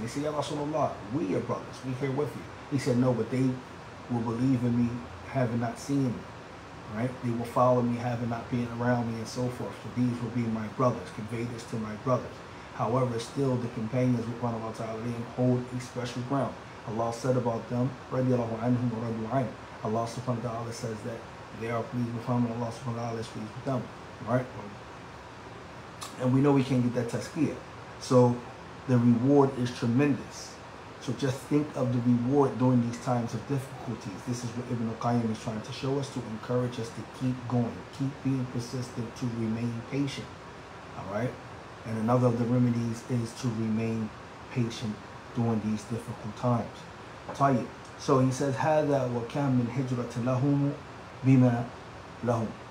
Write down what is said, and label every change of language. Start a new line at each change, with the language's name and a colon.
English: And they say, Ya Rasulullah, we are brothers, we here with you. He said, no, but they will believe in me having not seen me. Right, they will follow me, having not been around me, and so forth. So these will be my brothers. Convey this to my brothers. However, still the companions with one of Allah Ta'ala hold a special ground. Allah said about them,
Arabic: رَضِيَ اللَّهُ عَنْهُمْ وَرَضُوا عَنْهُ.
English: Allah Subhanahu wa Taala says that they are pleased with Him, and Allah Subhanahu wa Taala is pleased with them. Right, and we know we can't get that tazkiyah. So the reward is tremendous. So just think of the reward during these times of difficulties. This is what Ibn Qayyim is trying to show us, to encourage us to keep going, keep being persistent, to remain patient. All right? And another of the remedies is to remain patient during these difficult times. Tayyip. So he says,
Arabic: هَذَا وَكَمْ مِنْ هِجْرَةٍ لَهُمُ بِمَا لَهُمُ.